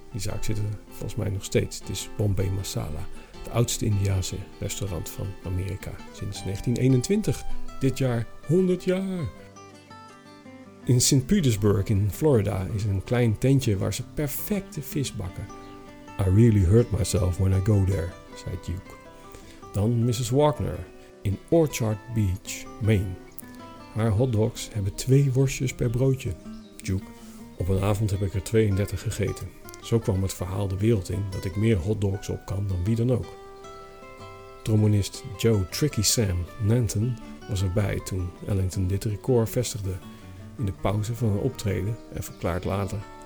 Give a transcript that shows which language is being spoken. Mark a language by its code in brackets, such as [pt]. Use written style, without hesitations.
[nl] Die zaak zit er volgens mij nog steeds. Het is Bombay Masala, het oudste Indiaanse restaurant van Amerika. Sinds 1921, dit jaar 100 jaar. In St. Petersburg in Florida is een klein tentje waar ze perfecte vis bakken. [en] I really hurt myself when I go there, [nl] zei Duke. Dan Mrs. Wagner in Orchard Beach, Maine. Haar hotdogs hebben 2 worstjes per broodje. Duke, op een avond heb ik er 32 gegeten. Zo kwam het verhaal de wereld in dat ik meer hotdogs op kan dan wie dan ook. Trombonist Joe Tricky Sam Nanton was erbij toen Ellington dit record vestigde in de pauze van een optreden en verklaart later.